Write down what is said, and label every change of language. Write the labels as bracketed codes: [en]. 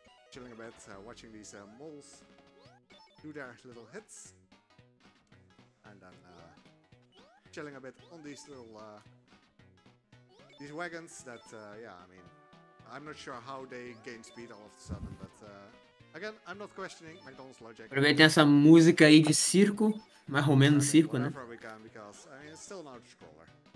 [en] Chilling a bit, watching these moles do their little hits. And then chilling a bit on these little these wagons that, yeah, I mean, I'm not sure how they gain speed all of a sudden, but again, I'm not questioning McDonald's logic. [pt] Aproveitei essa música aí de circo, mais ou menos circo, né? [en] Whatever we can, because, I mean, it's still an outer scroller.